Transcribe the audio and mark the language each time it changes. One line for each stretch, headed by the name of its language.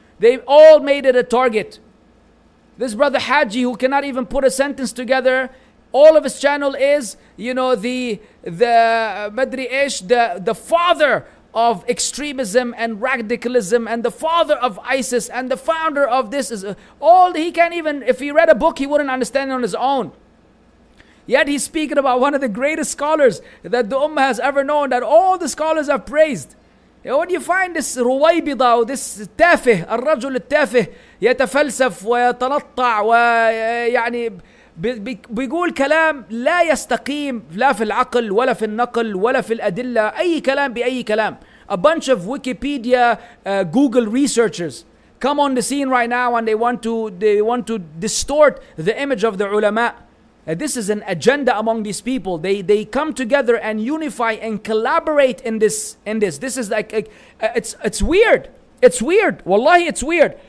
English: They've all made it a target. This brother Haji, who cannot even put a sentence together, all of his channel is, you know, the Madri Ish, the father of extremism and radicalism and the father of ISIS and the founder of this is all. He can't even, if he read a book, he wouldn't understand it on his own. Yet he's speaking about one of the greatest scholars that the Ummah has ever known, that all the scholars have praised. When you find this
Arabic: ruwaybida, this tafih, al-rajul al-tafih, yatafalsaf wa yatalatta' wa ya'ni بيقول كلام لا يستقيم لا في العقل ولا في النقل ولا في الأدلة, أي كلام بأي كلام.
English: A bunch of Wikipedia Google researchers come on the scene right now and they want to distort the image of the ulama. This is an agenda among these people. They come together and unify and collaborate in this. This is like it's weird. Wallahi, it's weird.